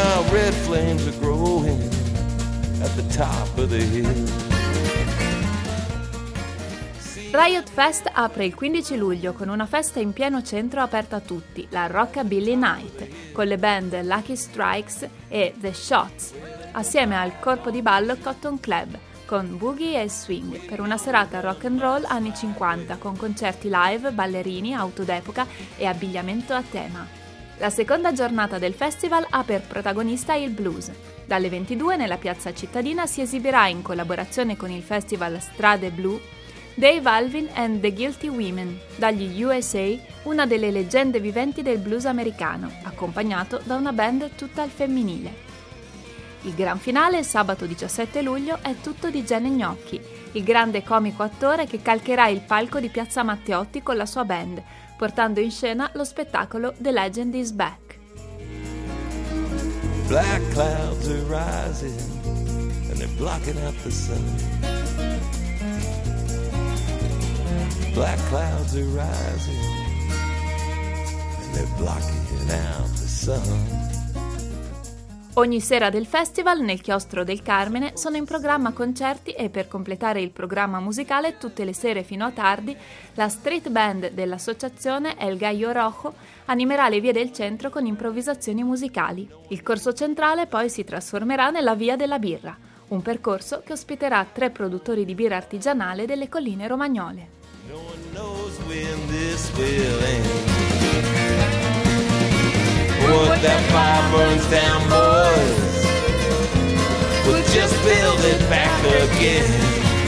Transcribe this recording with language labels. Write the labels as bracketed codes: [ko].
[en] Red flames are growing at the top of the hill. [it] Riot Fest apre il 15 luglio con una festa in pieno centro aperta a tutti, la Rockabilly Night, con le band Lucky Strikes e The Shots, assieme al corpo di ballo Cotton Club, con Boogie e Swing, per una serata rock and roll anni 50, con concerti live, ballerini, auto d'epoca e abbigliamento a tema. La seconda giornata del festival ha per protagonista il blues. Dalle 22 nella piazza cittadina si esibirà in collaborazione con il festival Strade Blu Dave Alvin and the Guilty Women, dagli USA, una delle leggende viventi del blues americano, accompagnato da una band tutta al femminile. Il gran finale, sabato 17 luglio, è tutto di Gene Gnocchi, il grande comico attore che calcherà il palco di Piazza Matteotti con la sua band, portando in scena lo spettacolo The Legend is Back. [en] Black clouds are rising and they're blocking out the sun. Black clouds are rising and they're blocking out the sun. [it] Ogni sera del festival, nel Chiostro del Carmine, sono in programma concerti e, per completare il programma musicale tutte le sere fino a tardi, la street band dell'associazione El Gallo Rojo animerà le vie del centro con improvvisazioni musicali. Il corso centrale poi si trasformerà nella Via della Birra, un percorso che ospiterà tre produttori di birra artigianale delle colline romagnole. [en] No one knows when this will end. Put that fire burns down, boys. We'll just build it back again.